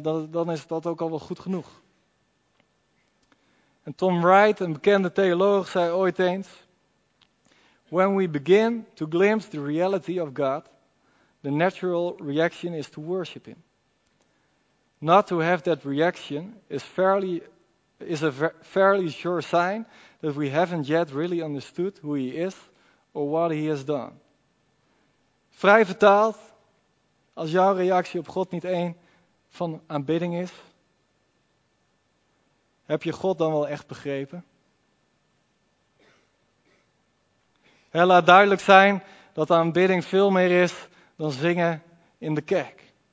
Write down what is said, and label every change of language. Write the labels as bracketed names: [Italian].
[Dutch] Dan is dat ook al wel goed genoeg. En Tom Wright, een bekende theoloog, zei ooit eens: when we begin to glimpse the reality of God, the natural reaction is to worship him. [English] Not to have that reaction is a fairly sure sign that we haven't yet really understood who he is or what he has done. [Dutch] Vrij vertaald, als jouw reactie op God niet één van aanbidding is, heb je God dan wel echt begrepen? Laat duidelijk zijn dat aanbidding veel meer is dan zingen in de kerk.